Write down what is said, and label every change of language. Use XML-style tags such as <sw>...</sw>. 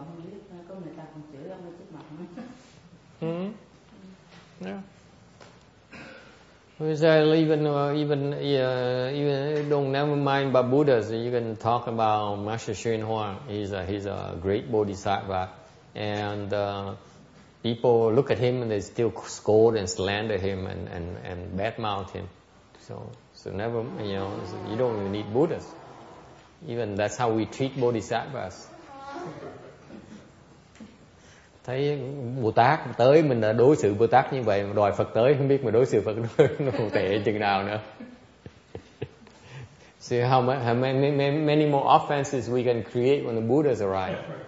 <vi>Thần tiên quá nó làm gì Bồ Tát mà ở trước mặt mình còn không biết, có người ta còn chửi ông ở trước mặt nữa.</vi> <en>We say even don't never mind about Buddha. So you can talk about Master Xuan Huang. He's a great bodhisattva, and people look at him and they still scold and slander him and badmouth him. So never, you know, so you don't even need Buddhas. Even that's how we treat bodhisattvas.</en> <vi>Thấy Bồ Tát tới mình đã đối xử Bồ Tát như vậy, đòi Phật tới không biết mà đối xử Phật nó còn tệ chừng nào nữa.</vi> <en>See how many more offenses we can create when the Buddha's arrived.</en>